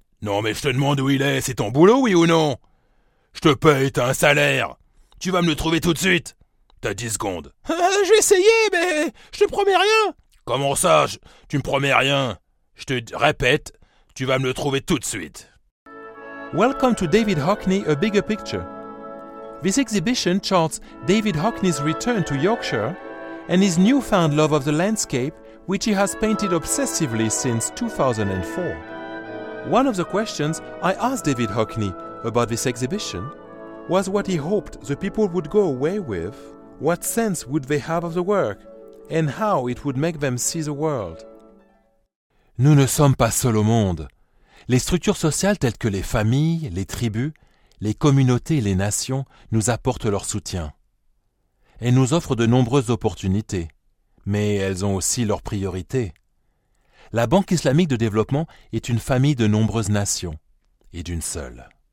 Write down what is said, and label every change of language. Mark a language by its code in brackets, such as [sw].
[fr] Non mais je te demande où il est, c'est ton boulot, oui ou non ? Je te paye, t'as un salaire. Tu vas me le trouver tout de suite. T'as 10 secondes. J'ai essayé, mais je te promets rien. Comment ça, tu me promets rien ? Je te répète, tu vas me le trouver tout de suite. [en] Welcome to David Hockney, A Bigger Picture. This exhibition charts David Hockney's return to Yorkshire and his newfound love of the landscape, which he has painted obsessively since 2004. One of the questions I asked David Hockney about this exhibition was what he hoped the people would go away with, what sense would they have of the work, and how it would make them see the world. [fr] Nous ne sommes pas seuls au monde. Les structures sociales telles que les familles, les tribus, les communautés et les nations nous apportent leur soutien. Elles nous offrent de nombreuses opportunités, mais elles ont aussi leurs priorités. La Banque islamique de développement est une famille de nombreuses nations, et d'une seule.